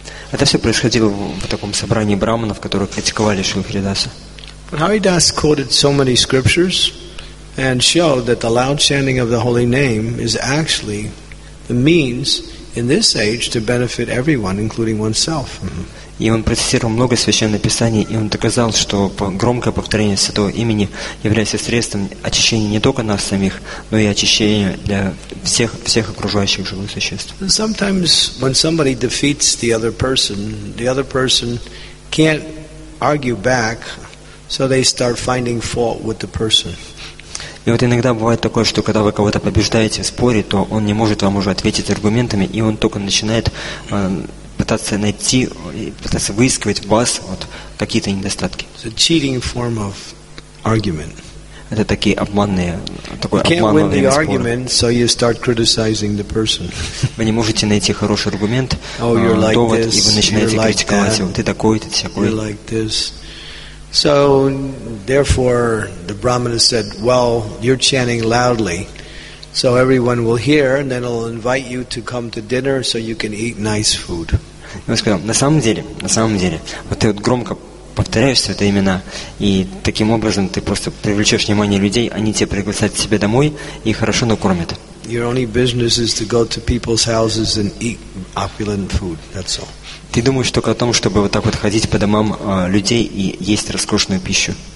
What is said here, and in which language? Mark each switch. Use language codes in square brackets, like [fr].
[ru] Это все происходило в таком собрании браманов, которые критиковали Шрилу Харидаса. [en] But Haridas quoted so many scriptures and showed that the loud chanting of the holy name is actually the means in this age to benefit everyone, including oneself. [ru] И он процитировал много священных писаний, и он доказал, что громкое повторение Святого Имени является средством очищения не только нас самих, но и очищения для всех окружающих живых существ. [en] And sometimes when somebody defeats the other person can't argue back, so they start finding fault with the person. [ru] И вот иногда бывает такое, что когда вы кого-то побеждаете в споре, то он не может вам уже ответить аргументами, и он только начинает пытаться выискивать в вас вот какие-то недостатки. [en] It's a cheating form of argument. [ru] Это такие обманные, такой обманный спор. Вы не можете найти хороший аргумент, довод, и вы начинаете критиковать его. Ты такой, ты такой. [en] So, therefore, the brahmana said, well, you're chanting loudly, so everyone will hear, and then it'll invite you to come to dinner so you can eat nice food. [ru] Он сказал, на самом деле, вот ты вот громко повторяешь все это имена, и таким образом ты просто привлечешь внимание людей, они тебя пригласят к себе домой и хорошо накормят. [en] Your only business is to go to people's houses and eat opulent food, that's all. [ru] Ты думаешь только о том, чтобы вот так вот ходить по домам людей и есть роскошную пищу.